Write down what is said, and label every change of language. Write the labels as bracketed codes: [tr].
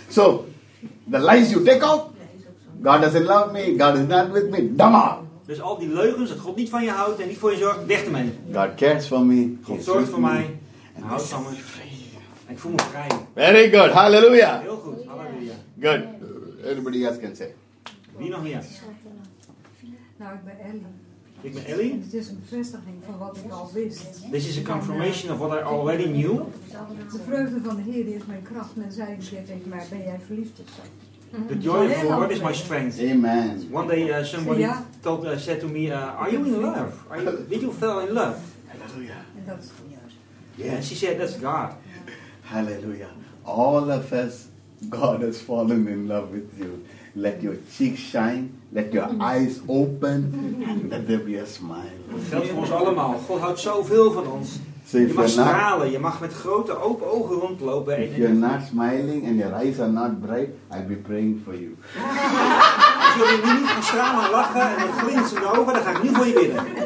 [en] So, the lies you take out, God doesn't love me, God is not with me, dumb out. [nl] Dus al die leugens, dat God niet van je houdt en niet voor je zorgt, weg ermee. [en] God cares for me. [nl] God zorgt voor mij. En houdt van me. Ik voel me vrij. [en] Very good, hallelujah. [nl] Heel goed, hallelujah. [en] Good. Everybody else can say. [nl] Wie nog meer? Nou, ik ben Ellie. Ik ben Ellie. Dit is een bevestiging van wat ik al wist. [en] This is a confirmation of what I already knew. [nl] De vreugde van de Heer is mijn kracht. Men zei tegen mij, ben jij verliefd of zo? [en] The joy of the Lord is my strength. Amen. One day somebody said to me, are you in love? Did you fall in love? Hallelujah. [nl] En dat is van jou. [en] Yeah, she said, that's God. Hallelujah. All of us, God has fallen in love with you. Let your cheeks shine. Let your eyes open. And let there be a smile. [nl] Dat geldt voor ons allemaal. God houdt zoveel van ons. So je mag stralen. Je mag met grote open ogen rondlopen. [en] If you're not smiling and your eyes are not bright, I'll be praying for you. [nl] Als jullie nu niet gaan stralen en lachen en met glinsterende ogen, dan ga ik nu voor je bidden.